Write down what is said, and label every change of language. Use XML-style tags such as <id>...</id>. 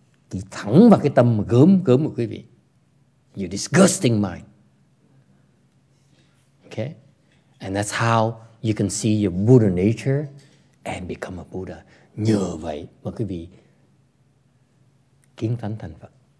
<vi>Thì thẳng vào cái tâm gớm gớm của quý vị.</vi> <en>Your disgusting mind. Okay, and that's how you can see your Buddha nature and become a Buddha.</en> <vi>Nhờ vậy mà quý vị kiến tánh thành Phật.</vi>